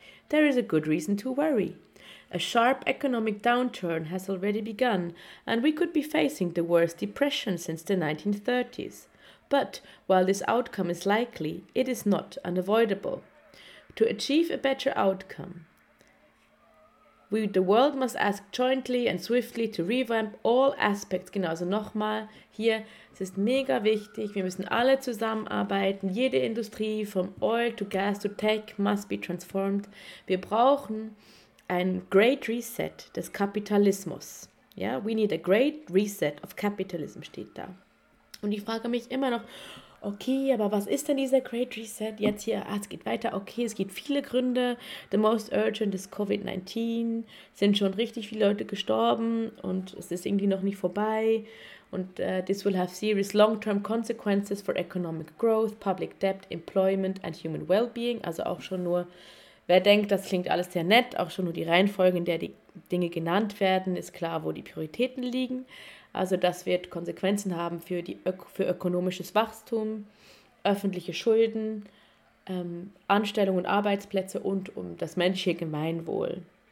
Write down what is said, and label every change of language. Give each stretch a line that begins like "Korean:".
English: There is a good reason to worry. A sharp economic downturn has already begun, and we could be facing the worst depression since the 1930s. But while this outcome is likely, it is not unavoidable. To achieve a better outcome, The world must ask jointly and swiftly to revamp all aspects.
German: Genau, also nochmal hier, es ist mega wichtig, wir müssen alle zusammenarbeiten. Jede Industrie,
English: from oil to gas to tech, must be transformed.
German: Wir brauchen ein Great Reset des Kapitalismus.
English: Ja, yeah? We need a Great Reset of Capitalism,
German: steht da. Und ich frage mich immer noch, okay, aber was ist denn dieser Great Reset jetzt hier? Ah, es geht weiter. Okay, es gibt viele Gründe.
English: The most urgent is COVID-19.
German: Es sind schon richtig viele Leute gestorben und es ist irgendwie noch nicht vorbei.
English: Und this will have serious long-term consequences for economic growth, public debt, employment and human well-being.
German: Also auch schon nur, wer denkt, das klingt alles sehr nett, auch schon nur die Reihenfolge, in der die Dinge genannt werden, ist klar, wo die Prioritäten liegen. Also das wird Konsequenzen haben für ökonomisches Wachstum, öffentliche Schulden, Anstellungen und Arbeitsplätze und um das menschliche Gemeinwohl.